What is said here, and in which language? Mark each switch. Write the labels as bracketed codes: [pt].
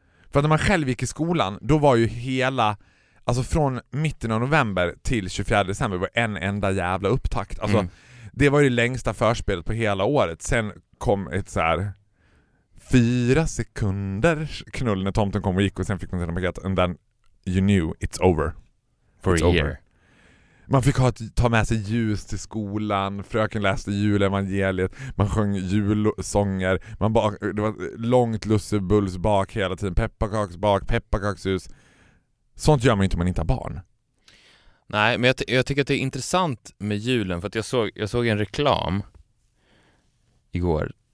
[sv] För att när man själv gick i skolan, då var ju hela... Alltså från mitten av november till 24 december var en enda jävla upptakt. Alltså det var ju det längsta förspelet på hela året. Sen kom ett så här 4 sekunder knull när tomten kom och gick, och sen fick man sätta paket. [en] And then you knew it's over. For it's a over. Year. [sv] Man fick ta med sig ljus till skolan. Fröken läste julevangeliet. Man sjöng julsånger. Det var långt lussebulls bak hela tiden. Pepparkaks bak, pepparkakshus. Sånt gör man ju inte om man inte har barn. Nej, men jag tycker att det är intressant med julen. För att jag såg en reklam igår.